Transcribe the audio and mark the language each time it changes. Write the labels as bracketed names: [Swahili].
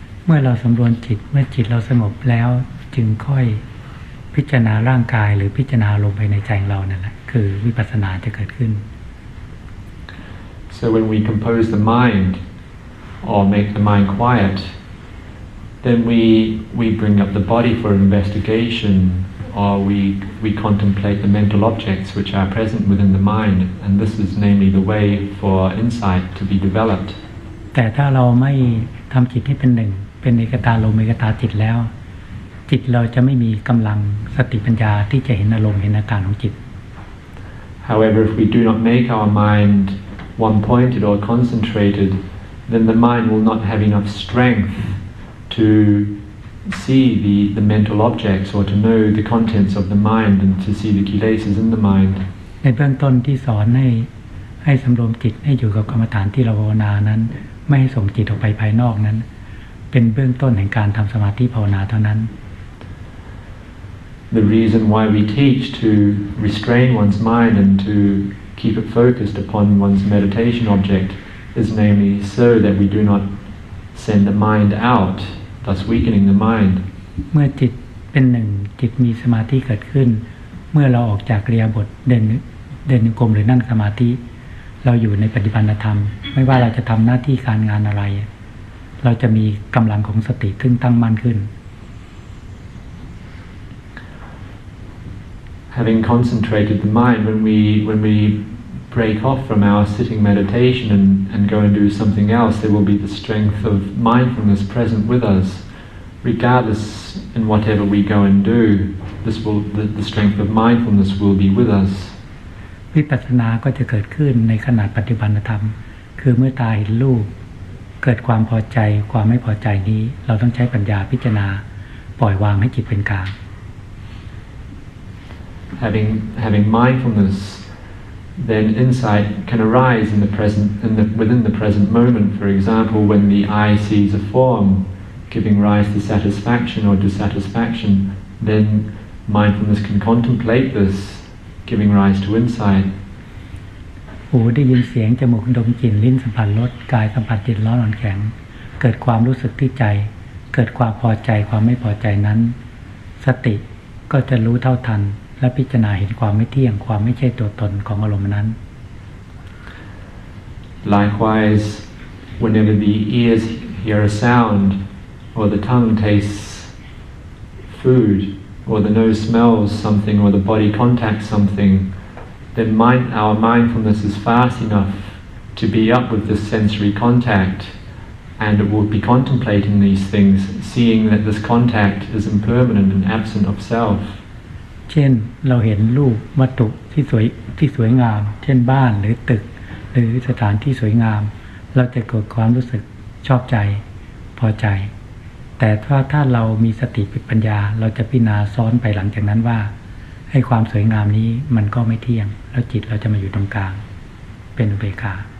[Thai] เมื่อเราสำรวมจิตเมื่อจิตเราสงบแล้วจึงค่อยพิจารณาร่างกายหรือพิจารณาลงไปในใจเรานั่นแหละคือวิปัสสนาจะเกิดขึ้น [English] So when we compose the mind or make the mind quiet then we bring up the body for investigation or we contemplate the mental objects which are present within the mind and this is namely the way for insight to be developed [Thai] แต่ถ้าเราไม่ทำจิตให้เป็นหนึ่งเป็นเอกตาลมเอกตาจิตแล้วจิตเราจะไม่มีกำลังสติปัญญาที่จะเห็นอารมณ์เห็นอาการของจิต [English] However if we do not make our mind one pointed or concentrated then the mind will not have enough strength to see the mental objects or to know the contents of the mind and to see the kilesas in the mind [Thai] ในเบื้องต้นที่สอนให้สำรวมจิตให้อยู่กับกรรมฐานที่เราภาวนานั้นไม่ให้ส่งจิตออกไปภายนอกนั้นเป็นเบื้องต้นแห่งการทำสมาธิภาวนาเท่านั้น [English] The reason why we teach to restrain one's mind and to keep it focused upon one's meditation object is namely so that we do not send the mind out, thus weakening the mind. [Thai] เมื่อจิตเป็นหนึ่งจิตมีสมาธิเกิดขึ้นเมื่อเราออกจากกิริยาบถเดินนิกรมหรือนั่งสมาธิเราอยู่ในปฏิบัติธรรมไม่ว่าเราจะทำหน้าที่การงานอะไรเราจะมีกำลังของสติขึ้นตั้งมั่นขึ้น [English] Having concentrated the mind, when we break off from our sitting meditation and go and do something else, there will be the strength of mindfulness present with us, regardless in whatever we go and do. The strength of mindfulness will be with us. [Thai] วิปัสสนาก็จะเกิดขึ้นในขณะปฏิบัติธรรมคือเมื่อตาเห็นรูปเกิดความพอใจความไม่พอใจนี้เราต้องใช้ปัญญาพิจารณาปล่อยวางให้จิตเป็นกลาง [English] Having mindfulness, then insight can arise within the present moment. For example, when the eye sees a form, giving rise to satisfaction or dissatisfaction, then mindfulness can contemplate this, giving rise to insight. [Thai] หูได้ยินเสียงจมูกดมกลิ่นลิ้นสัมผัสรสกายสัมผัสจิตร้อนอ่อนแข็งเกิดความรู้สึกที่ใจเกิดความพอใจความไม่พอใจนั้นสติก็จะรู้เท่าทันและพิจารณาเห็นความไม่เที่ยงความไม่ใช่ตัวตนของอารมณ์นั้น [English] Likewise whenever the ears hear a sound or the tongue tastes food or the nose smells something or the body contacts something then our mindfulness is fast enough to be up with the sensory contact and it will be contemplating these things seeing that this contact is impermanent and absent of self [Thai] เช่นเราเห็นรูปวัตถุที่สวยงามเช่นบ้านหรือตึกหรือสถานที่สวยงามเราจะเกิดความรู้สึกชอบใจพอใจแต่ถ้าเรามีสติปัญญาเราจะพิจารณาซ้อนไปหลังจากนั้นว่าให้ความสวยงามนี้มันก็ไม่เที่ยงแล้วจิตเราจะมาอยู่ตรงกลางเป็นอุเบกขา